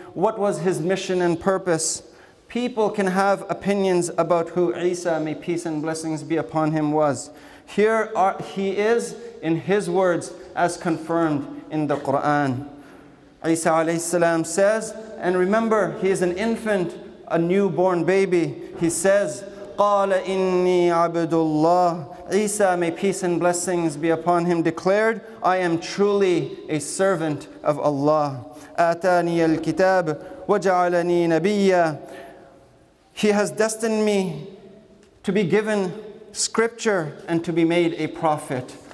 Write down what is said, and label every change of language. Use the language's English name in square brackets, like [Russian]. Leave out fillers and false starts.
[English] What was his mission and purpose? People can have opinions about who Isa, may peace and blessings be upon him, was. Here he is in his words, as confirmed in the Qur'an. Isa alayhi salam says, and remember, he is an infant, a newborn baby. He says, [Arabic] قَالَ إِنِّي عَبْدُ اللَّهِ. [English] Isa, may peace and blessings be upon him, declared, "I am truly a servant of Allah." [Arabic] آتَانِيَ الْكِتَابِ وَجَعَلَنِي نَبِيًّا. [English] He has destined me to be given scripture and to be made a prophet.